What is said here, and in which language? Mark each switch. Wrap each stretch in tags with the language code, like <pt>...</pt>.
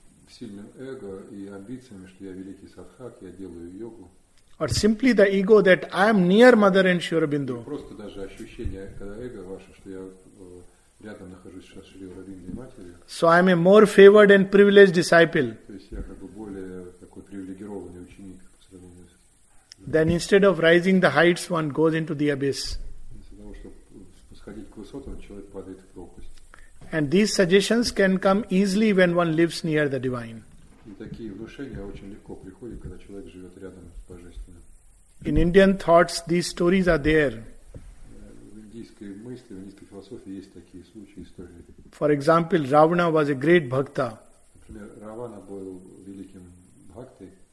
<ru>Сильным эго и амбициями, что я великий садхак, я делаю йогу.</ru> <en>Or simply the ego that I am near Mother and Sri Aurobindo.</en> <ru>Просто даже ощущение эго ваше, что я рядом нахожусь с Шри Аурабиндой матерью.</ru> <en>So I am a more favored and privileged disciple.</en> <ru>То есть я как бы более такой привилегированный ученик.</ru> <en>Then instead of rising the heights, one goes into the abyss.</en> <ru>Вместо того, чтобы восходить к высотам, человек падает в пропасть.</ru> <en>And these suggestions can come easily when one lives near the divine.</en> <ru>И такие внушения очень легко приходят, когда человек живет рядом с божественным.</ru> <en>In Indian thoughts, these stories are there.</en> <ru>В индийской мысли, в индийской философии есть такие случаи, истории.</ru> <en>For example, Ravana was a great bhakta.</en> <ru>Например, Равана был великим бхактой.</ru>